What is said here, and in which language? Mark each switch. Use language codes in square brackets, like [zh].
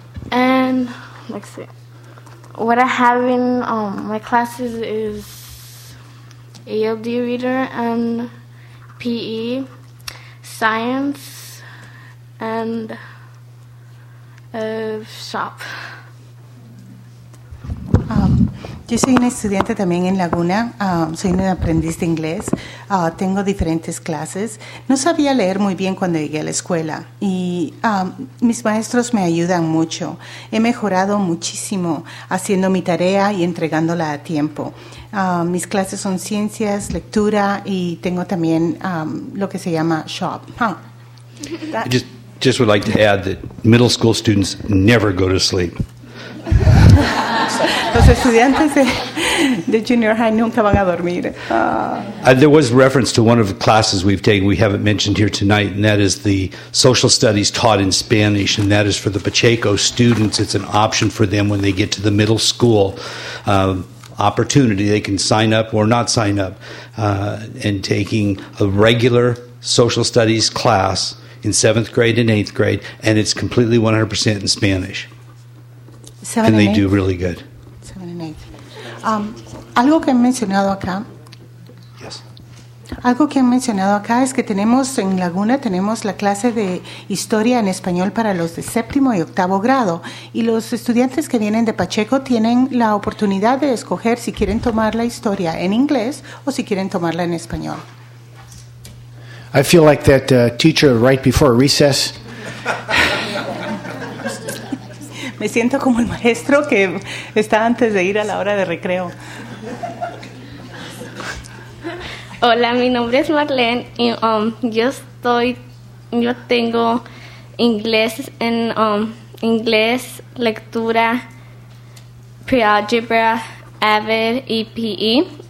[en] And let's see, what I have in my classes is ALD reader and PE, science, and shop. [es] Yo soy una estudiante también en Laguna, soy una aprendiz de inglés, tengo diferentes clases. No sabía leer muy bien cuando llegué a la escuela y mis maestros me ayudan mucho. He mejorado muchísimo haciendo mi tarea y entregándola a tiempo. Mis clases son ciencias, lectura y tengo también lo que se llama shop. [en] I just would like to add that middle school students never go to sleep. [es] Los estudiantes de junior high nunca van a dormir. [en] There was reference to one of the classes we've taken we haven't mentioned here tonight, and that is the social studies taught in Spanish, and that is for the Pacheco students. It's an option for them when they get to the middle school opportunity. They can sign up or not sign up and taking a regular social studies class in 7th grade and 8th grade, and it's completely 100% in Spanish. And they do really good. [es] Algo que han mencionado acá. [en] Yes. [es] Algo que han mencionado acá es que tenemos en Laguna tenemos la clase de historia en español para los de séptimo y octavo grado, y los estudiantes que vienen de Pacheco tienen la oportunidad de escoger si quieren tomar la historia en inglés o si quieren tomarla en español. [en] I feel like that teacher right before recess. [es] Me siento como el maestro que está antes de ir a la hora de recreo. Hola, mi nombre es Marlene y yo tengo inglés en inglés, lectura, pre-algebra, AVID y PE.